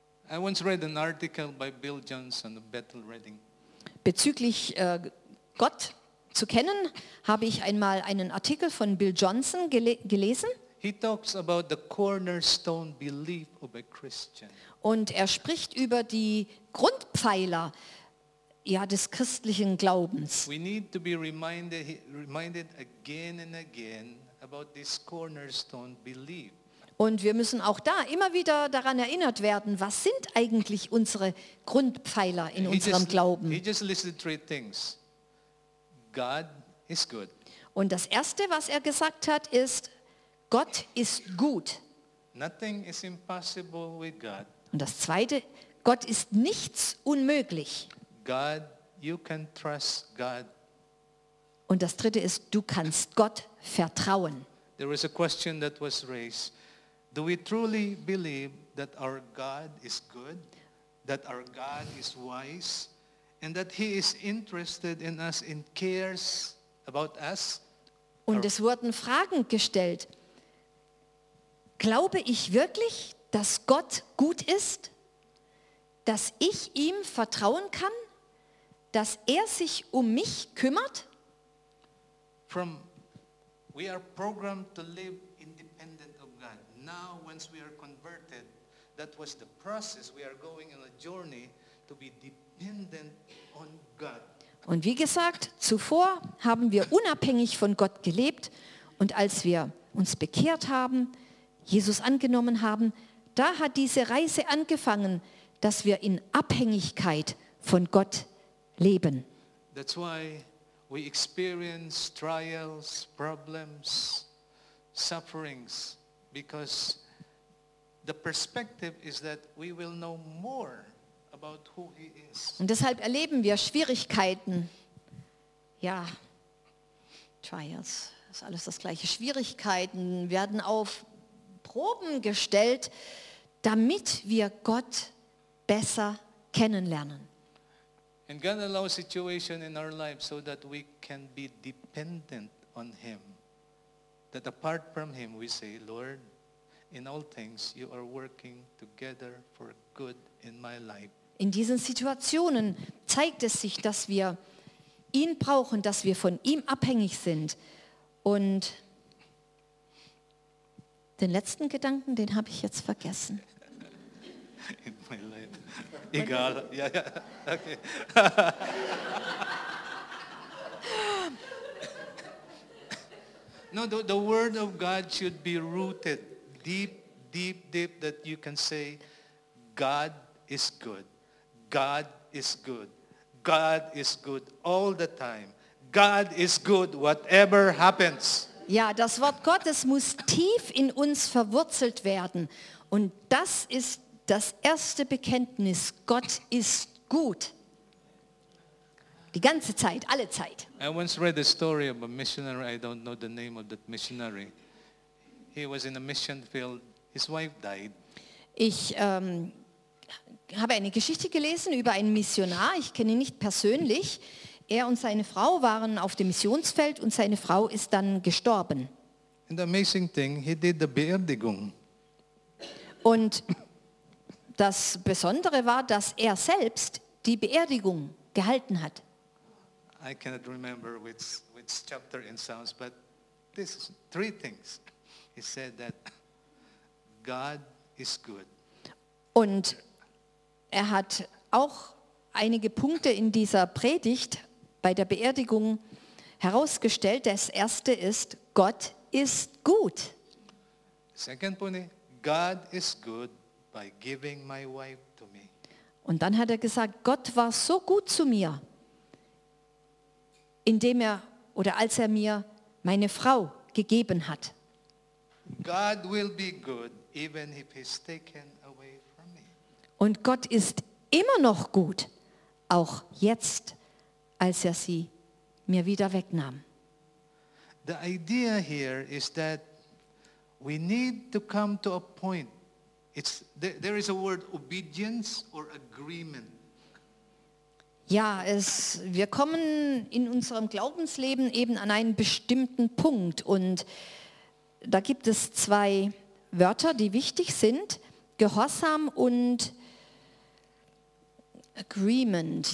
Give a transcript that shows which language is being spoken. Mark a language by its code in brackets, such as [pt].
[en] I once read an article by Bill Johnson of Bethel Reading. [de] Bezüglich Gott zu kennen, habe ich einmal einen Artikel von Bill Johnson gelesen. [en] He talks about the cornerstone belief of a Christian. [de] Und er spricht über die Grundpfeiler, ja, des christlichen Glaubens. [en] We need to be reminded again and again about this cornerstone belief. [de] Und wir müssen auch da immer wieder daran erinnert werden, was sind eigentlich unsere Grundpfeiler in unserem Glauben? [en] He just listed three things. God is good. [de] Und das erste, was er gesagt hat, ist: Gott ist gut. [en] Nothing is impossible with God. [de] Und das zweite: Gott ist nichts unmöglich. [en] God, you can trust God. [de] Und das dritte ist: Du kannst Gott vertrauen. [en] There was a question that was raised. Do we truly believe that our God is good, that our God is wise, and that he is interested in us and cares about us? [de] Und es wurden Fragen gestellt. Glaube ich wirklich, dass Gott gut ist, dass ich ihm vertrauen kann, dass er sich um mich kümmert? [en] We are programmed to live independent of God. Now, once we are converted, that was the process. We are going on a journey to be dependent on God. [de] Und wie gesagt, zuvor haben wir unabhängig von Gott gelebt, und als wir uns bekehrt haben, Jesus angenommen haben, da hat diese Reise angefangen, dass wir in Abhängigkeit von Gott leben. [en] That's why we experience trials, problems, sufferings. Because the perspective is that we will know more about who he is. [de] Und deshalb erleben wir Schwierigkeiten. Ja, Trials, das ist alles das gleiche. Schwierigkeiten werden auf Proben gestellt, damit wir Gott besser kennenlernen. [en] And God allows situation in our life so that we can be dependent on him. That apart from him we say, Lord, in all things you are working together for good in my life. [de] In diesen Situationen zeigt es sich, dass wir ihn brauchen, dass wir von ihm abhängig sind. Und den letzten Gedanken, den habe ich jetzt vergessen. [en] In my life. [de] Egal. Ja, ja. Okay. [en] No, the word of God should be rooted deep, that you can say, God is good. God is good. God is good all the time. God is good whatever happens. [de] Ja, das Wort Gottes muss tief in uns verwurzelt werden. Und das ist das erste Bekenntnis. Gott ist gut. Die ganze Zeit, alle Zeit. [en] I once read a story of a missionary. I don't know the name of that missionary. He was in a mission field. His wife died. [de] Ich habe eine Geschichte gelesen über einen Missionar. Ich kenne ihn nicht persönlich. Er und seine Frau waren auf dem Missionsfeld und seine Frau ist dann gestorben. [en] And the amazing thing, he did the Beerdigung. [de] Und das Besondere war, dass er selbst die Beerdigung gehalten hat. [en] I cannot remember which chapter in Psalms, but this is three things. He said that God is good. [de] Und er hat auch einige Punkte in dieser Predigt bei der Beerdigung herausgestellt. Das erste ist: Gott ist gut. [en] Second point: God is good by giving my wife to me. [de] Und dann hat er gesagt: Gott war so gut zu mir, indem er oder als er mir meine Frau gegeben hat. [en] God will be good even if he's taken away from me. [de] Und Gott ist immer noch gut, auch jetzt, als er sie mir wieder wegnahm. [en] The idea here is that we need to come to a point It's there is a word obedience or agreement. [de] Ja, wir kommen in unserem Glaubensleben eben an einen bestimmten Punkt und da gibt es zwei Wörter, die wichtig sind, Gehorsam und Agreement.